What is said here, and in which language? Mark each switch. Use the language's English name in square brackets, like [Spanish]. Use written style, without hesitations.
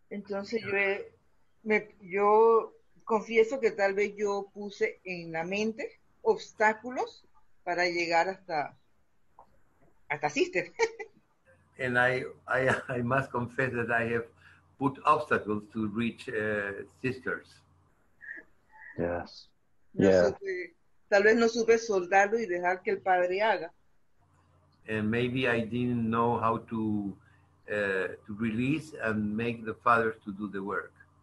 [Spanish] Entonces yo confieso que tal vez yo puse en la mente obstáculos para llegar hasta Sister. [English] And I must confess that I have put obstacles to reach Sisters. Yes. Yeah. [Spanish] Tal vez no supe soldarlo y dejar que el padre haga. [English] And maybe I didn't know how to release and make the father to do the work.